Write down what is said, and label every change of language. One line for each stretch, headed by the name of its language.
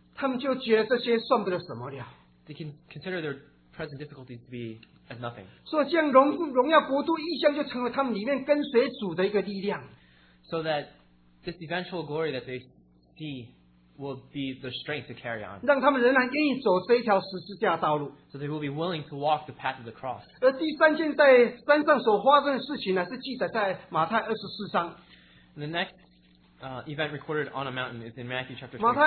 Chinese: 他们就觉得这些算不得什么了.
English: They can consider their present difficulties to be as nothing.
Chinese: 所以这样荣耀国度意象就成为他们里面跟随主的一个力量.
English: So that this eventual glory that they see will be the strength to carry on.
Chinese: 让他们仍然愿意走这一条十字架道路.
English: So they will be willing to walk the path of the cross.
Chinese: 而第三件在山上所发生的事情呢，是记载在马太24章.
English: And the next event recorded on a mountain is in Matthew chapter